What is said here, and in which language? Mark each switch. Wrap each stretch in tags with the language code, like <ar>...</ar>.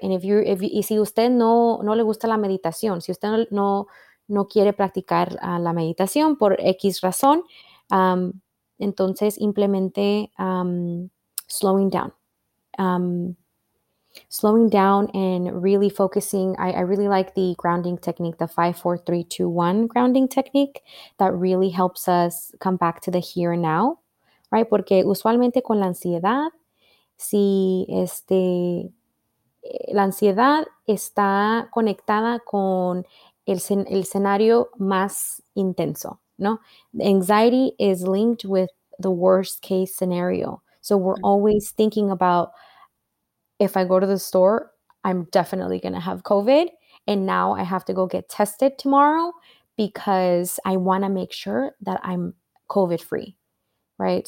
<es>And if si usted no le gusta la meditación, si usted no quiere practicar la meditación por X razón, entonces, implemente</es> <en>slowing down and really focusing. I really like the grounding technique, the 5-4-3-2-1 grounding technique. That really helps us come back to the here and now, right?</en> <es>Porque usualmente con la ansiedad, si la ansiedad está conectada con el escenario más intenso, ¿no?</es> <en>Anxiety is linked with the worst case scenario. So we're always thinking about if I go to the store, I'm definitely going to have COVID. And now I have to go get tested tomorrow because I want to make sure that I'm COVID free, right?</en>